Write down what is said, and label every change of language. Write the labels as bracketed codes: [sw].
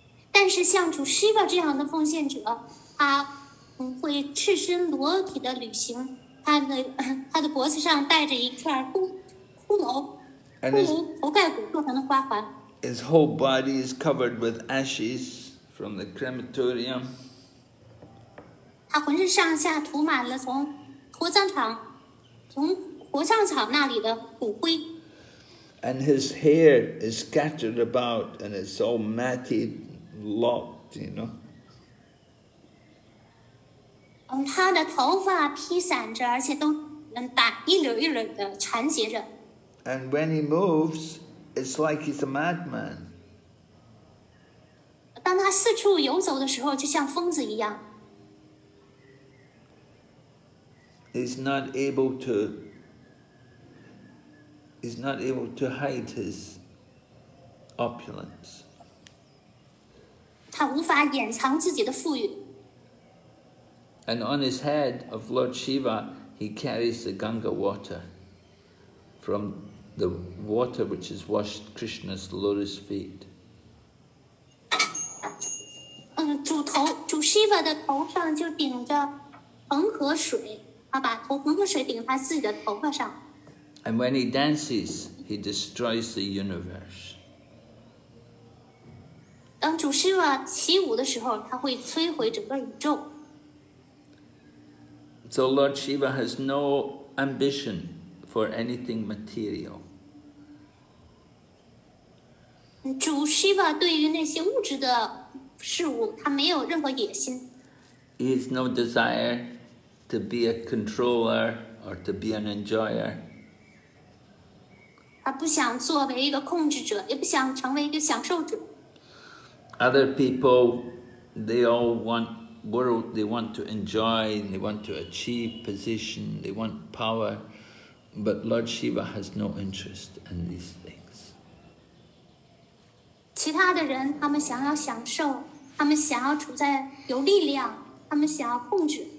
[zh] 但是像主 Shiva 这样的奉献者，他会赤身裸体的旅行，他的脖子上戴着一块骷髅头盖骨做成的花环。 [en] His whole body is covered with ashes from the crematorium. [zh] 他浑身上下涂满了从火葬场那里的骨灰。 [en] And his hair is scattered about, and it's all matted, locked, you know. [zh] 他的头发披散着，而且都一缕一缕的缠结着。 [en] And when he moves, it's like he's a madman. [zh] 当他四处游走的时候，就像疯子一样。 [en] He's not able to hide his opulence. [zh] 他无法掩藏自己的富裕。 [en] And on his head of Lord Shiva, he carries the Ganga water from the water which has washed Krishna's lotus feet. [zh] 主 Shiva 的头上就顶着恒河水。 [en] And when he dances, he destroys the universe. [zh] 当主 Shiva 起舞的时候，他会摧毁整个宇宙。 [en] So Lord Shiva has no ambition for anything material. [zh] 主 Shiva 对于那些物质的事物，他没有任何野心。 [en] He has no desire to be a controller or to be an enjoyer. [zh] 他不想作为一个控制者，也不想成为一个享受者。 [en] Other people, they all want world, they want to enjoy, they want to achieve position, they want power, but Lord Shiva has no interest in these things. [zh] 其他的人，他们想要享受，他们想要处在有力量，他们想要控制。